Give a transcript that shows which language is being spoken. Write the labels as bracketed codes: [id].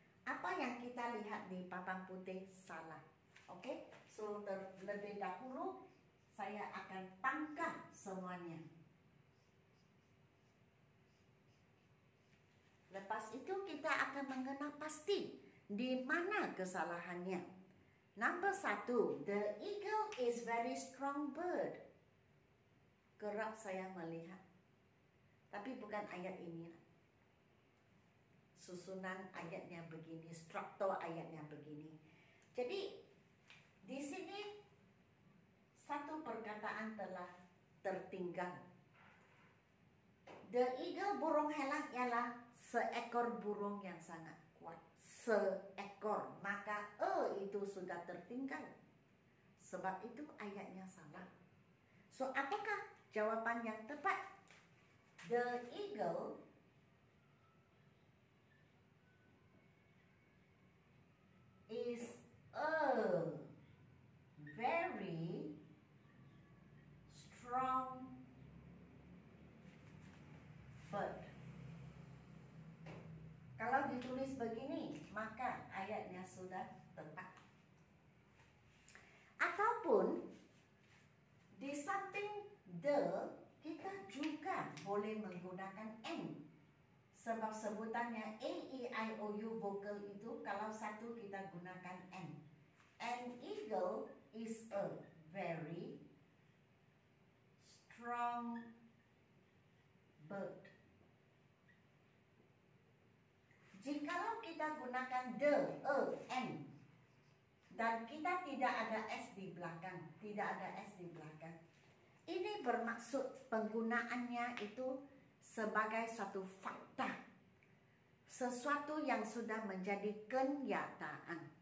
[ms] Apa yang kita lihat di papan putih salah. Oke, okay? So terlebih dahulu saya akan pangkah semuanya. Lepas itu kita akan mengenal pasti di mana kesalahannya. [en] Number 1, the eagle is very strong bird. [ms] Kerap saya melihat, tapi bukan ayat ini. Susunan ayatnya begini, struktur ayatnya begini. Jadi di sini satu perkataan telah tertinggal. [en] The eagle, [ms] burung helak, ialah seekor burung yang sangat kuat. Seekor, maka e itu sudah tertinggal. Sebab itu ayatnya salah. So apakah jawaban yang tepat? [en] The eagle is a very strong bird. [ms] Kalau ditulis begini, maka ayatnya sudah tepat. Ataupun di samping the, kita juga boleh menggunakan and. Sebab sebutannya A, E, I, O, U, vokal itu, kalau satu kita gunakan and. [en] An eagle is a very strong bird. [ms] Jikalau kita gunakan the, a, and, dan kita tidak ada S di belakang, tidak ada S di belakang, ini bermaksud penggunaannya itu sebagai suatu fakta, sesuatu yang sudah menjadi kenyataan.